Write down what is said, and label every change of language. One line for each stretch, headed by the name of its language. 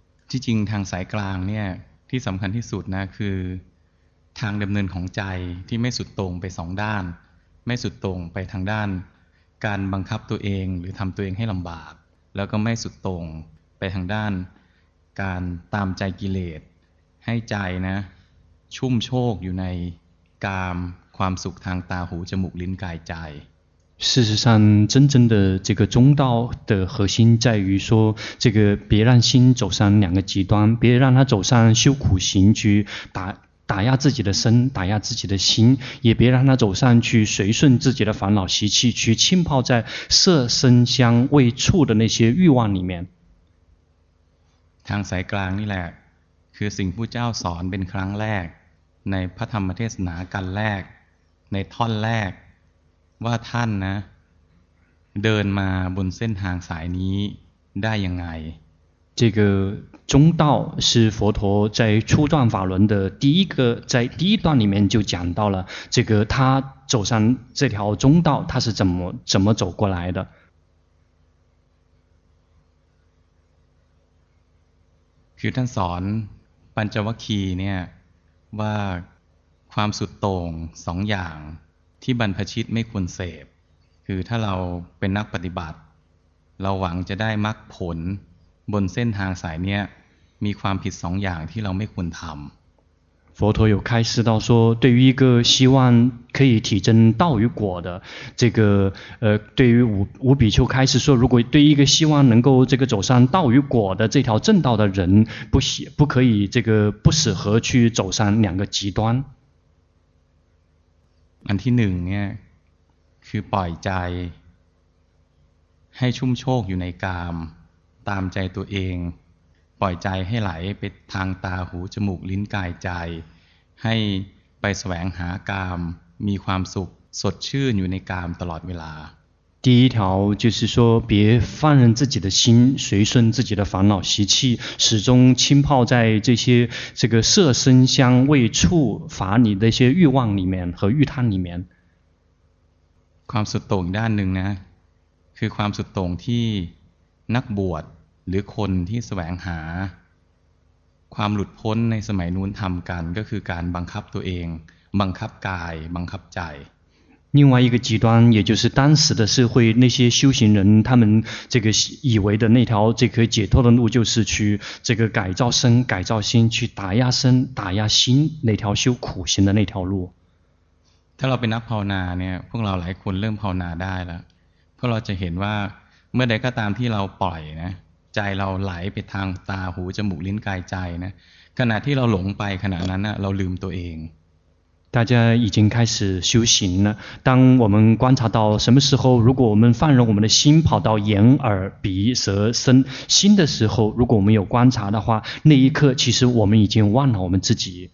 Thai: ที่จริงทางสายกลางเนี่ยที่สำคัญที่สุดนะคือทางดำเนินของใจที่ไม่สุดตรงไป2ด้านไม่สุดตรงไปทางด้านการบังคับตัวเองหรือทำตัวเองให้ลำบากแล้วก็ไม่สุดตรงไปทางด้านการตามใจกิเลสให้ใจนะชุ่มโชกอยู่ในกามความสุขทางตาหูจมูกลิ้นกายใจ
Chinese: 事实上真正的这个中道的核心在于说这个别让心走上两个极端别让它走上修苦行去打压自己的身打压自己的心也别让他走上去随顺自己的烦恼习气去浸泡在色声香味触的那些欲望里面
Thai: ทางสายกลางนี่แหละคือสิ่งพุทธเจ้าสอนเป็นครั้งแรกในพระธรรมเทศนากันแรกในท่อนแรกว่าท่านนะเดินมาบนเส้นทางสายนี้ได้ยังไง
Chinese: 这个中道是佛陀在初段法轮的第一个在第一段里面就讲到了这个他走上这条中道他是怎么走过来的
Thai: คือท่านสอนปัญจวัคคีย์เนี่ยว่าความสุดโต่งสองอย่างที่บรรพชิตไม่ควรเสพคือถ้าเราเป็นนักปฏิบัติ เราหวังจะได้มรรคผลบนเส้นทางสายเนี้ยมีความผิดสองอย่างที่เราไม่ควรทำ
Chinese: 佛陀有开示到说，对于一个希望可以体证道与果的这个对于五比丘开示说，如果对于一个希望能够这个走上道与果的这条正道的人，不可以这个不适合去走上两个极端。
Thai: อันที่หนึ่งเนี่ยคือปล่อยใจให้ชุ่มโชคอยู่ในกามตามใจตัวเองปล่อยใจให้ไหลไปทางตาหูจมูกลิ้นกายใจให้ไปแสวงหากามมีความสุขสดชื่นอยู่ในกามตลอดเวลา
Chinese: 第一条就是说，别放任自己的心，随顺自己的烦恼习气，始终浸泡在这些这个色声香味触法你的一些欲望里面和欲贪里面。
Thai: ความสุดโต่งด้านหนึ่งนะคือความสุดโต่งที่นักบวชหรือคนที่แสวงหาความหลุดพ้นในสมัยนู้นทำกันก็คือการบังคับตัวเองบังคับกายบังคับใจ
Chinese: 另外一个极端，也就是当时的社会，那些修行人，他们这个以为的那条这个解脱的路，就是去这个改造身、改造心，去打压身、打压心那条修苦行的那条路。
Thai: ถ้าเราเป็นนักภาวนาเนี่ย พวกเราหลายคนเริ่มภาวนาได้แล้ว พวกเราจะเห็นว่าเมื่อใดก็ตามที่เราปล่อยนะ ใจเราไหลไปทางตาหูจมูกลิ้นกายใจนะ ขณะที่เราหลงไปขณะนั้นนะ เราลืมตัวเอง
Chinese: 大家已经开始修行了。当我们观察到什么时候，如果我们放任我们的心跑到眼、耳、鼻、舌、身、心的时候，如果我们有观察的话，那一刻其实我们已经忘了我们自己。